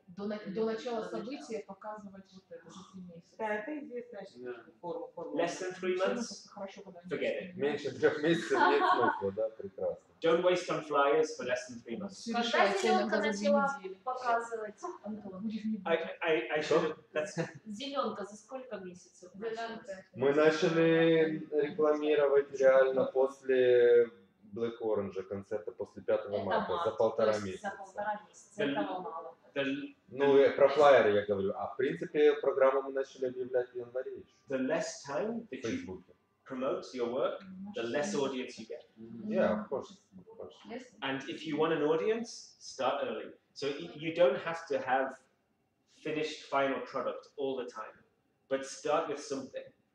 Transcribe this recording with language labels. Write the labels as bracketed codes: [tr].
[ru] До начала события показывать вот это за 3 месяца. Да, это известная форма. [en] Less than 3 months? [ru] Хорошо, [en] forget it. [ru] Меньше 3 месяца нет смысла, да, прекрасно. [en] Don't waste on flyers for less than 3 months. [ru] Когда Зелёнка начала показывать? Антон, [en] I should. That's... [ru] Зелёнка за сколько месяцев? Мы начали рекламировать реально после... Black Orange концерта после 5 марта за полтора месяца. За полтора месяца этого мало. Ну, про флайеры я говорю. А в принципе программу мы начали объявлять в январе еще. [en] The less time that you promote your work, the less audience you get. Yeah, of course. And if you want an audience, start early. So you don't have to have finished final product all the time, but start with something.